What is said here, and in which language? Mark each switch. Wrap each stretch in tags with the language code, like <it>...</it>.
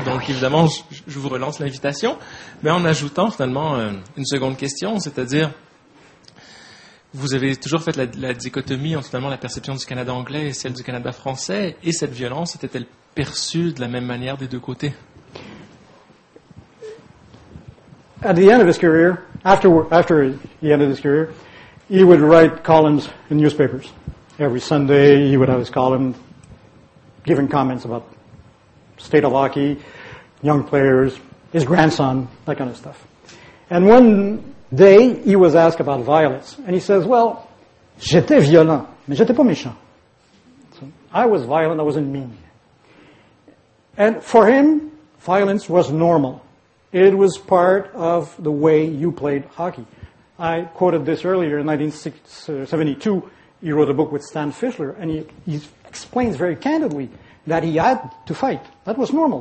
<fr>Donc évidemment, je vous relance l'invitation, mais en ajoutant finalement une seconde question, c'est-à-dire, vous avez toujours fait la dichotomie entre finalement la perception du Canada anglais et celle du Canada français, et cette violence était-elle perçue de la même manière des deux côtés?</fr> <en>At the end of his career, after he ended his career, he would write columns in newspapers. Every Sunday, he would have his column giving comments about state of hockey, young players, his grandson, that kind of stuff. And one day, he was asked about violence. And he says, well,</en> <fr>j'étais violent, mais j'étais pas méchant.</fr> <en>So, I was violent, I wasn't mean. And for him, violence was normal. It was part of the way you played hockey. I quoted this earlier. In 1972, he wrote a book with Stan Fischler, and he explains very candidly that he had to fight. That was normal.</en>